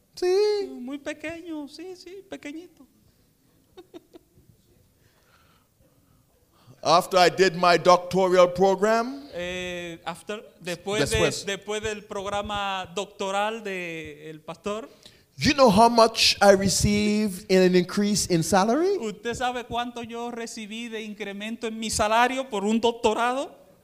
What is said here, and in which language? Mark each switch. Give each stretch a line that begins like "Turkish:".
Spanish: Sí. Muy pequeño, sí, sí, pequeñito.
English: After I did my doctoral program.
Spanish: Después del programa doctoral del pastor.
English: You know how much I received in an increase in salary?
Spanish: ¿Usted sabe cuánto yo recibí de incremento en mi salario por un doctorado?